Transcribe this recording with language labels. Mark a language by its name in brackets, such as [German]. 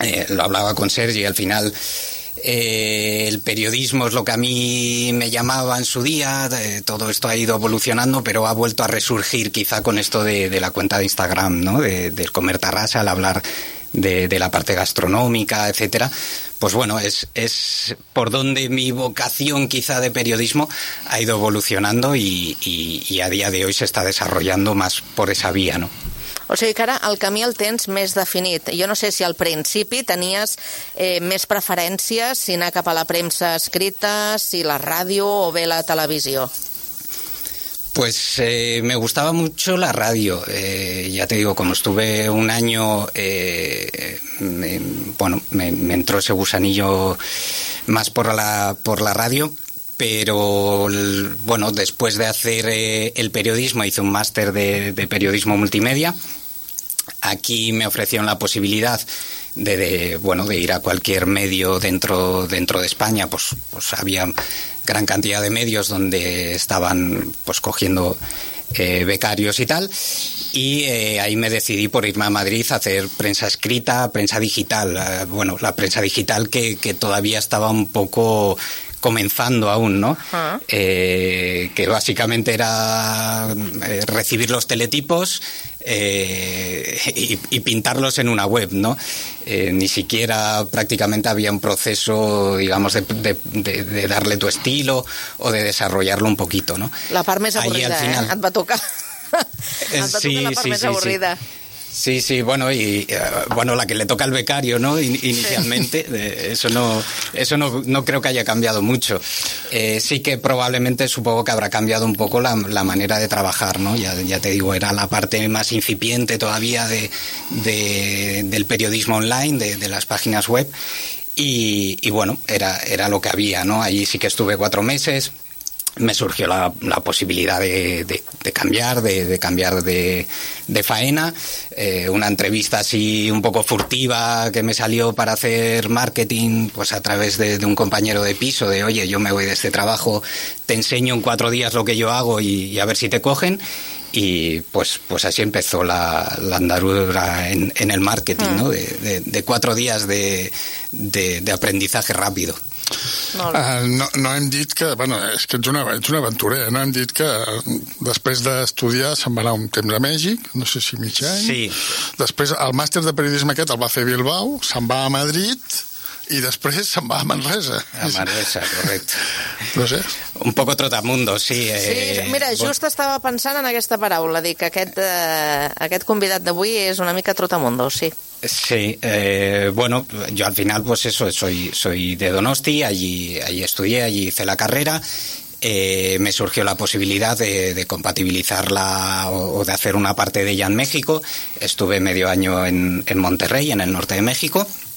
[Spanish] Lo hablaba con Sergi, al final. El periodismo es lo que a mí me llamaba en su día, todo esto ha ido evolucionando, pero ha vuelto a resurgir quizá con esto de la cuenta de Instagram, ¿no? Del comer tarrasa, al hablar de la parte gastronómica, etcétera. Pues bueno, es por donde mi vocación quizá de periodismo ha ido evolucionando y a día de hoy se está desarrollando más por esa vía, ¿no? [Catalan] O sigui que ara el camí el tens més definit. Jo no sé si al principi tenies més preferències si anar cap a la premsa escrita, si la ràdio o bé la televisió. [Spanish] Pues me gustaba mucho la radio. Ya te digo, como estuve un año, me entró ese gusanillo más por la radio. Pero, bueno, después de hacer el periodismo, hice un máster de periodismo multimedia. Aquí me ofrecieron la posibilidad de ir a cualquier medio dentro de España. Pues había gran cantidad de medios donde estaban cogiendo becarios y tal. Y ahí me decidí por irme a Madrid a hacer prensa escrita, prensa digital. Bueno, la prensa digital que todavía estaba un poco comenzando aún, ¿no? Uh-huh. Que básicamente era recibir los teletipos y pintarlos en una web, ¿no? Ni siquiera prácticamente había un proceso, digamos, de darle tu estilo o de desarrollarlo un poquito, ¿no? [Catalan] La part més avorrida, al final, et va tocar. Sí. [Spanish] Sí, sí, bueno, y bueno, la que le toca al becario, ¿no? Inicialmente, eso no creo que haya cambiado mucho. Sí que probablemente supongo que habrá cambiado un poco la manera de trabajar, ¿no? Ya te digo, era la parte más incipiente todavía del periodismo online, de las páginas web, y bueno, era lo que había, ¿no? Allí sí que estuve 4 meses, me surgió la posibilidad de cambiar de faena. Una entrevista así un poco furtiva que me salió para hacer marketing, pues a través de un compañero de piso, de oye, yo me voy de este trabajo, te enseño en 4 días lo que yo hago y a ver si te cogen. Y pues así empezó la andadura en el marketing, ¿no? De 4 días de aprendizaje rápido. [Catalan] No hem dit que, bueno, és que ets un aventurer, no hem dit que després d'estudiar se'n va anar un temps a Mèxic, no sé si mig any. Sí. Després el màster de periodisme aquest el va fer a Bilbao, se'n va a Madrid i després se'n va a Manresa. A Manresa, correcte. No sé. [Spanish] Un poco trotamundo, sí. [Catalan] Mira, just estava pensant en aquesta paraula, dic que aquest convidat d'avui és una mica trotamundo, sí. [Spanish] Sí, bueno, yo al final, pues eso, soy de Donosti, allí estudié, allí hice la carrera. Me surgió la posibilidad de compatibilizarla o de hacer una parte de ella en México. Estuve medio año en Monterrey, en el norte de México.